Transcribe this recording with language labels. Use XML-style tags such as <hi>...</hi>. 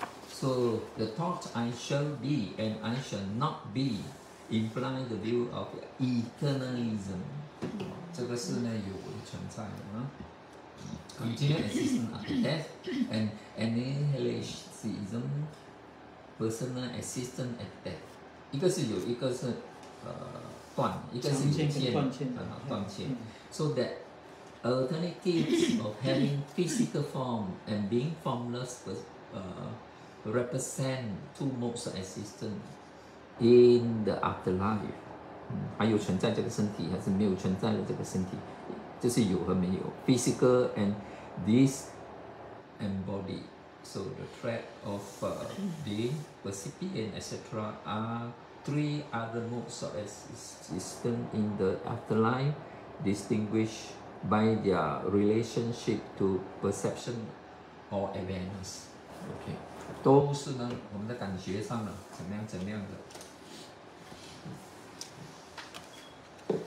<en>So the thought I shall be and I shall not be imply the view of eternalism. This is a existence. Continual existence after death and annihilationism, personal existence at death.</en> <zh>一个是有，一个是断，一个是有间，断间。</zh> <en>So that alternatives of having physical form and being formless represent two modes of existence. In the afterlife，</en> <zh>还有存在这个身体还是没有存在的这个身体，就是有和没有 ，</zh> <en>physical and this embodied， So the threat of being percipient, etc., are three other modes of existence in the afterlife, distinguished by their relationship to perception or awareness. Okay.</en> <zh>都是呢，我们的感觉上呢，怎么样怎么样的。</zh>